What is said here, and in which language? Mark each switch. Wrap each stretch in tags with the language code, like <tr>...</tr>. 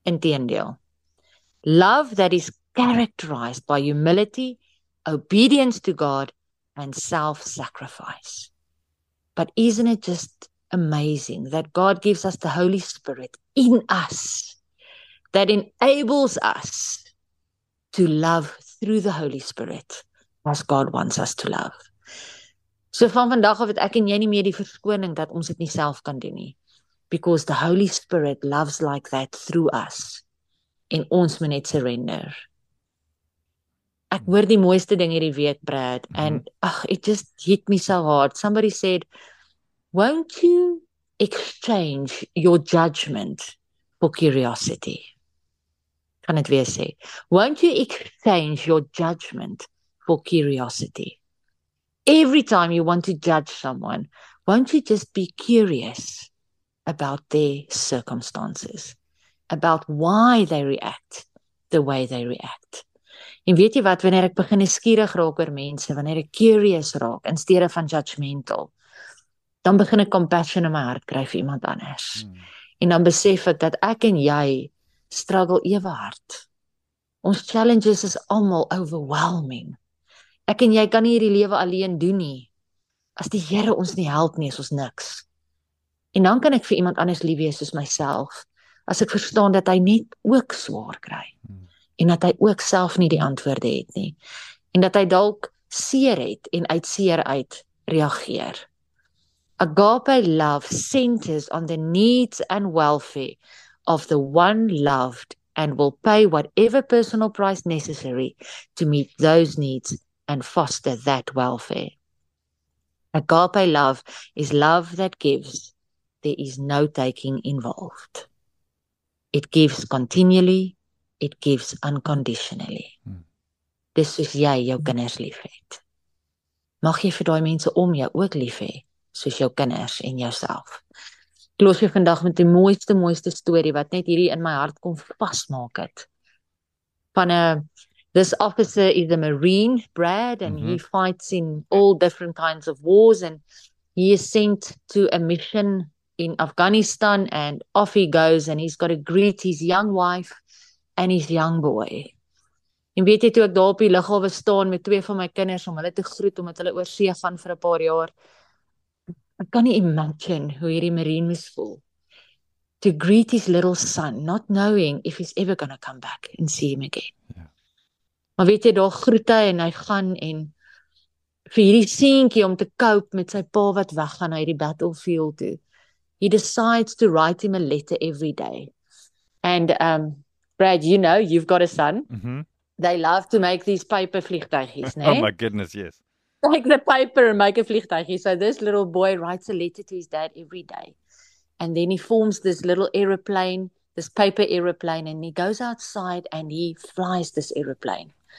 <en>Inteendeel, love that is characterized by humility, obedience to God, and self-sacrifice. But isn't it just amazing that God gives us the Holy Spirit in us that enables us to love through the Holy Spirit as God wants us to love?</en> <af>So van vandag af het ek en jy nie meer die verskoning dat ons dit nie self kan doen nie.</af> <en>Because the Holy Spirit loves like that through us.</en> <af>En ons moet net surrender. Ek hoor die mooiste ding hierdie week, Brad.</af> <en>And it just hit me so hard. Somebody said, won't you exchange your judgment for curiosity? Kan het weer sê. Won't you exchange your judgment for curiosity? Every time you want to judge someone, won't you just be curious about their circumstances, about why they react the way they react?</en> <af>En weet jy wat, wanneer ek begin nieuwsgierig raak oor mense, wanneer ek curious raak, in steede van judgmental, dan begin ek compassion in my hart kry vir iemand anders. En dan besef ek dat ek en jy struggle ewe hard. Ons challenges is almal overwhelming. Ek en jy kan nie hierdie lewe alleen doen nie. As die Here ons nie help nie, is ons niks. En dan kan ek vir iemand anders lief wees soos myself, as ek verstaan dat hy net ook swaar kry, en dat hy ook self nie die antwoorde het nie, en dat hy dalk seer het en uit seer uit reageer.</af> <en>Agape love centers on the needs and welfare of the one loved and will pay whatever personal price necessary to meet those needs and foster that welfare. Agape love is love that gives. There is no taking involved. It gives continually. It gives unconditionally.</en> <af>Dis soos jy jou kinders lief het. Mag jy vir daai mense om jou ook lief hê, soos jou kinders en jouself. Ek los jou vandag met die mooiste storie wat net hierdie in my hart kom vasmaak het.</af> <en>Van 'n This officer is a Marine, Brad, and he fights in all different kinds of wars, and he is sent to a mission in Afghanistan, and off he goes, and he's got to greet his young wife and his young boy.</en> <af>En weet jy, toe ek daar op die lughawe staan met twee van my kinders om hulle te groet, omdat hulle oor see gaan vir 'n paar jaar, ek kan nie imagine hoe hierdie Marine moes voel.</af> <en>To greet his little son, not knowing if he's ever going to come back and see him again.</en> <af>Maar weet jy, daar groet hy en hy gaan en vir hierdie seentjie om te cope met sy pa wat weggaan uit die battlefield toe.</af> <en>He decides to write him a letter every day. And Brad, you know, you've got a son. They love to make these paper vliegtuigies, né? Oh my goodness, yes. Like the paper and make a vliegtuigie. So this little boy writes a letter to his dad every day. And then he forms this little aeroplane, this paper aeroplane, and he goes outside and he flies this aeroplane.</en>